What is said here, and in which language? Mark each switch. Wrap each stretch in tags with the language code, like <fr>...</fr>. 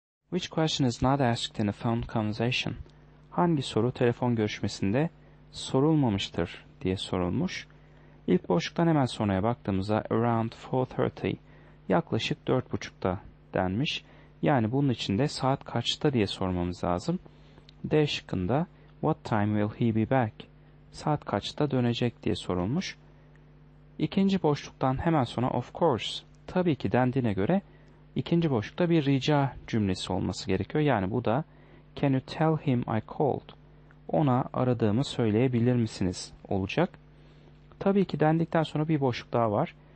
<en>Which question is not asked in a phone conversation?</en> <tr>Hangi soru telefon görüşmesinde sorulmamıştır diye sorulmuş. İlk boşluktan hemen sonraya baktığımızda</tr> <en>around 4:30,</en> <tr>yaklaşık 4:30'da denmiş. Yani bunun için de saat kaçta diye sormamız lazım. D şıkkında</tr> <en>what time will he be back?</en> <tr>Saat kaçta dönecek diye sorulmuş. İkinci boşluktan hemen sonra</tr> <en>of course,</en> <tr>tabii ki dendiğine göre ikinci boşlukta bir rica cümlesi olması gerekiyor. Yani bu da</tr> <en>can you tell him I called?</en> <tr>Ona aradığımı söyleyebilir misiniz olacak. Tabii ki dendikten sonra bir boşluk daha var.</tr>